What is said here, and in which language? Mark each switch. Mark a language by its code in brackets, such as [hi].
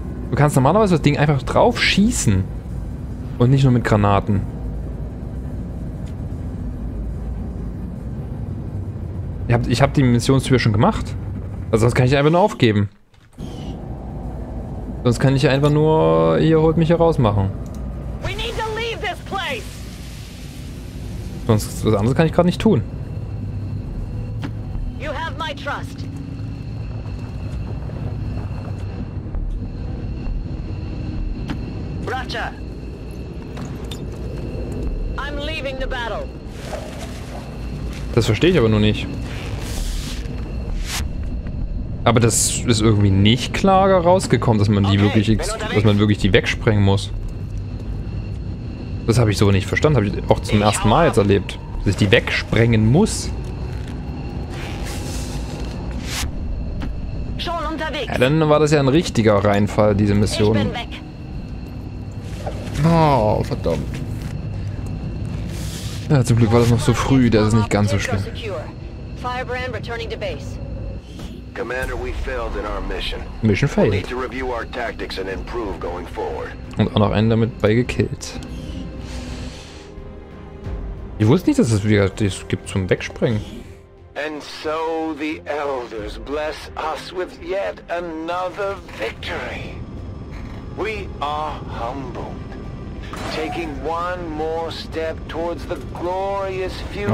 [de] Du kannst normalerweise das Ding einfach drauf schießen. Und nicht nur mit Granaten. Ich hab die Missionstür schon gemacht. Also sonst kann ich einfach nur aufgeben. Sonst kann ich einfach nur hier holt mich hier raus machen. [en] We need to leave this place. [de] Sonst was anderes kann ich gerade nicht tun. [en] You have my trust. Roger. I'm leaving the battle. [de] Das verstehe ich aber nur nicht. Aber das ist irgendwie nicht klarer rausgekommen, dass man die wirklich die wegsprengen muss. Das habe ich so nicht verstanden, habe ich auch zum ersten Mal jetzt erlebt, dass ich die wegsprengen muss. Schon unterwegs. Ja, dann war das ja ein richtiger Reinfall, diese Mission. Ich bin weg. Oh, verdammt. Ja, zum Glück war das noch so früh, das ist nicht ganz so schlimm. [en] Firebrand returning to base. Commander, we failed in our mission. Mission failed. We need to review our tactics and improve going forward. [de] Und auch noch einen damit bei gekillt. Ich wusste nicht, dass es wieder das gibt zum Wegspringen. [en] And so the elders bless us with yet another victory. We are humbled. Taking one more step towards the glorious future.